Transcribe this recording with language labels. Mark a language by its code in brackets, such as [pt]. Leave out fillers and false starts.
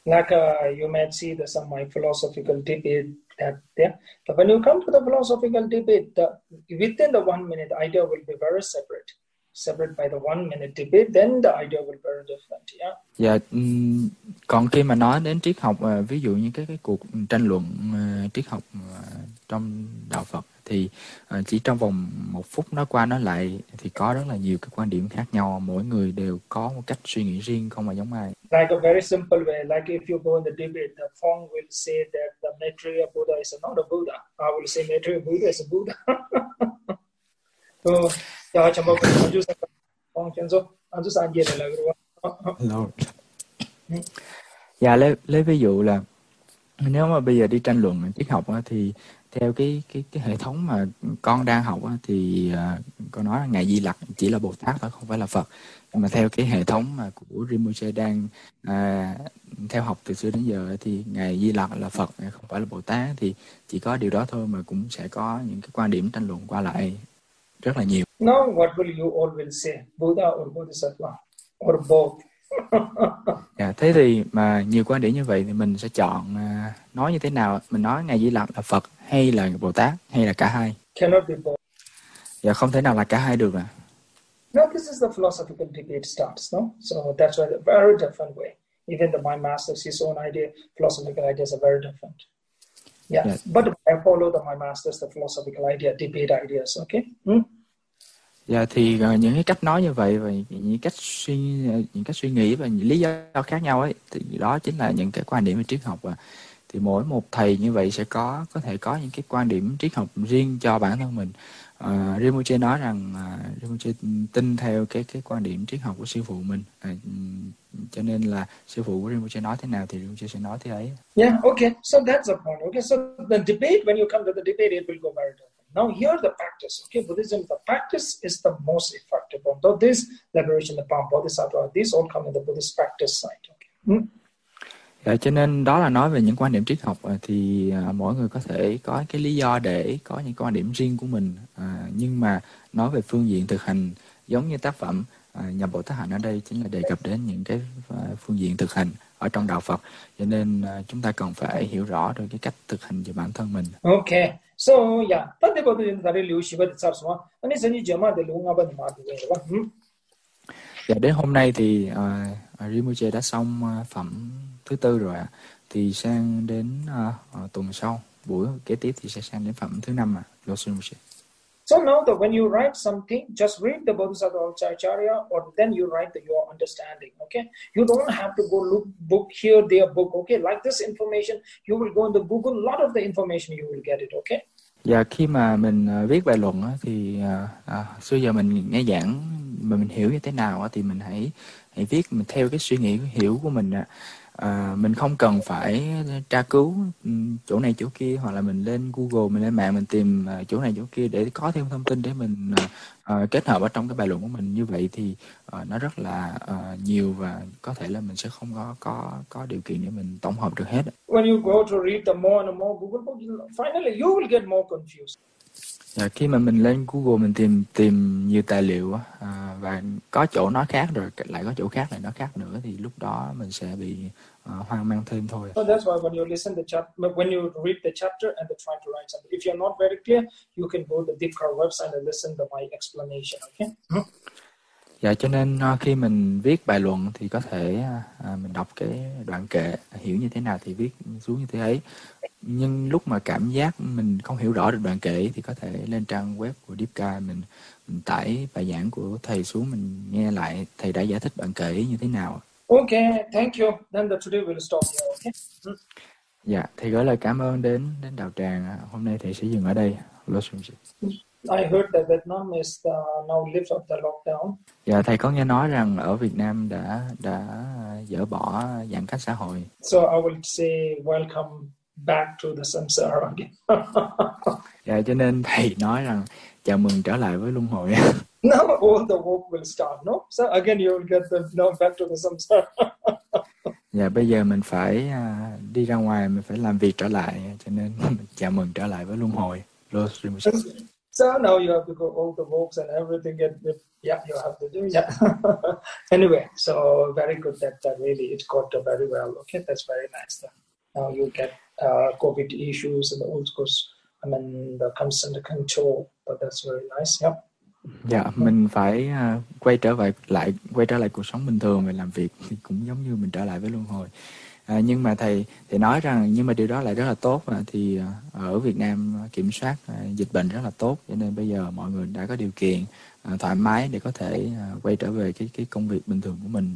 [en] Like you may see the some my philosophical debate that there. But when you come to the philosophical debate, within the 1 minute idea will be very separate. Separate by the 1 minute debate, then the idea will be very different. Yeah. [vi] Dạ. Còn khi mà nói đến triết học, ví dụ như cái cuộc tranh luận triết học trong đạo Phật, thì chỉ trong vòng một phút nó qua nó lại thì có rất là nhiều cái quan điểm khác nhau, mỗi người đều có một cách suy nghĩ riêng không mà giống ai. [en] Like a very simple way, like if you go in the debate, the Phong will say that the Maitreya Buddha is not a Buddha. I will say Maitreya Buddha is a Buddha. [vi] So, chào mọi người, anh Dương Phong Chân Dung, anh Dương Sang Diên là người đó. [en] Lord. [vi] Dạ, lấy ví dụ là nếu mà bây giờ đi tranh luận triết học thì theo cái hệ thống mà con đang học thì con nói là Ngài Di Lặc chỉ là Bồ Tát thôi, không phải là Phật. Nhưng mà theo cái hệ thống mà của Rinpoche đang theo học từ xưa đến giờ thì Ngài Di Lặc là Phật, không phải là Bồ Tát. Thì chỉ có điều đó thôi mà cũng sẽ có những cái quan điểm tranh luận qua lại rất là nhiều. [en] Now what will you all will say? Buddha or Bodhisattva? Or both? [vi] Yeah, thế thì mà nhiều quan điểm như vậy thì mình sẽ chọn nói như thế nào? Mình nói Ngài Di Lặc là Phật hay là Bồ Tát hay là cả hai? [en] Cannot be both. [vi] Yeah, không thể nào là cả hai được à? [en] No, this is the philosophical debate starts, no? So that's why a very different way. Even the my master's his own idea, philosophical ideas are very different. Yeah. Yeah. But I follow the my master's the philosophical idea, debate ideas, okay? Hmm? [vi] Dạ thì những cái cách nói như vậy và những cách suy nghĩ và những lý do khác nhau ấy thì đó chính là những cái quan điểm về triết học à. Thì mỗi một thầy như vậy sẽ có thể có những cái quan điểm triết học riêng cho bản thân mình. Rinpoche nói rằng Rinpoche tin theo cái quan điểm triết học của sư phụ mình, cho nên là sư phụ của Rinpoche nói thế nào thì Rinpoche sẽ nói thế ấy. [en] Yeah, okay, so that's the point. Okay, so the debate, when you come to the debate, it will go very different. Now here the practice, okay, Buddhism, the practice is the most effective one. Though this liberation, the palm, Bodhisattva, these all come in the Buddhist practice side. Okay. Hmm? [vi] Dạ, cho nên đó là nói về những quan điểm triết học thì mỗi người có thể có cái lý do để có những quan điểm riêng của mình, nhưng mà nói về phương diện thực hành giống như tác phẩm Nhập Bồ Tát Hạnh ở đây chính là đề cập đến những cái phương diện thực hành ở trong đạo Phật, cho nên chúng ta cần phải hiểu rõ được cái cách thực hành cho bản thân mình. Okay, so yeah, tất cả mọi người đã lưu ý về tập số, anh sẽ như jama để luôn ngon bằng mặt người. Dạ, đến hôm nay thì Rinpoche đã xong phẩm thứ tư rồi ạ. Thì sang đến tuần sau, buổi kế tiếp thì sẽ sang đến phẩm thứ năm ạ. Lhasa Rinpoche. [en] So now that when you write something, just read the Bodhisattva Acharya or then you write your understanding, okay? You don't have to go look book here, their book, okay? Like this information, you will go into Google, lot of the information you will get it, okay? [vi] Dạ, khi mà mình viết bài luận thì xưa giờ mình nghe giảng mà mình hiểu như thế nào thì mình hãy viết mình theo cái suy nghĩ hiểu của mình. Mình không cần phải tra cứu chỗ này chỗ kia, hoặc là mình lên Google, mình lên mạng, mình tìm chỗ này chỗ kia để có thêm thông tin để mình kết hợp ở trong cái bài luận của mình. Như vậy thì nó rất là nhiều và có thể là mình sẽ không có điều kiện để mình tổng hợp được hết. [en] When you go to read the more and the more Google book, finally you will get more confused. [vi] Dạ, khi mà mình lên Google mình tìm nhiều tài liệu và có chỗ nó khác rồi lại có chỗ khác lại nó khác nữa thì lúc đó mình sẽ bị hoang mang thêm thôi. [en] So that's why when you listen the chapter, when you read the chapter and the try to write something, if you're not very clear, you can go to the Deepkar website and listen to my explanation, okay? [vi] Dạ, cho nên khi mình viết bài luận thì có thể mình đọc cái đoạn kệ hiểu như thế nào thì viết xuống như thế ấy. Nhưng lúc mà cảm giác mình không hiểu rõ được đoạn kệ thì có thể lên trang web của Deepka mình tải bài giảng của thầy xuống, mình nghe lại thầy đã giải thích đoạn kệ như thế nào. [en] Okay, thank you. Then the today we'll stop here, okay? [vi] Dạ, thầy gửi lời cảm ơn đến đạo tràng. Hôm nay thầy sẽ dừng ở đây. Lord Sumji. [en] I heard that Vietnam is now lift up the lockdown. [vi] Dạ, thầy có nghe nói rằng ở Việt Nam đã dỡ bỏ giãn cách xã hội. [en] So I will say welcome back to the samsara again. [vi] Dạ, cho nên thầy nói rằng chào mừng trở lại với luân hồi. [en] Now all the work will start, no? So again you will get the now back to the samsara. [vi] Dạ, bây giờ mình phải đi ra ngoài, mình phải làm việc trở lại, cho nên chào mừng trở lại với luân hồi. [en] So now you have to go all the walks and everything, and yeah, you have to do, yeah. Anyway, so very good that really it got very well. Okay, that's very nice. Then. Now you get COVID issues and all those, I mean, the constant control, but that's very nice, yeah. [vi] Dạ, mình phải quay trở lại cuộc sống bình thường và làm việc thì cũng giống như mình trở lại với luân hồi. Nhưng mà thầy nói rằng nhưng mà điều đó lại rất là tốt, và thì ở Việt Nam kiểm soát dịch bệnh rất là tốt, cho nên bây giờ mọi người đã có điều kiện thoải mái để có thể quay trở về cái công việc bình thường của mình.